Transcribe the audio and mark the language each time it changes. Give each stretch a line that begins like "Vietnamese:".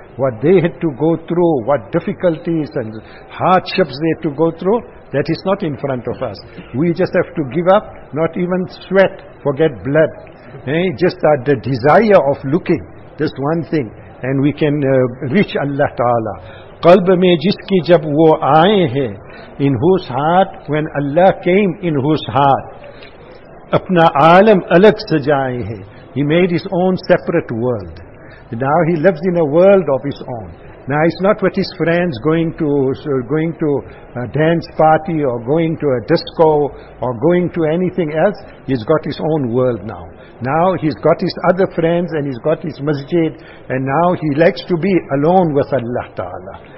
English: What they had to go through, what difficulties and hardships they had to go through, That is not in front of us. We just have to give up, not even sweat, forget blood. Just the desire of looking, this one thing, and we can reach Allah Ta'ala.
Urdu: قلب میں جس کی جب وہ آئے ہیں
English: in whose heart, when Allah came in whose heart,
Urdu: اپنا عالم الگ سجائے ہیں.
English: He made his own separate world. Now he lives in a world of his own. Now it's not with his friends going to a dance party or going to a disco or going to anything else. He's got his own world now. Now he's got his other friends and he's got his masjid, and now he likes to be alone with Allah Ta'ala.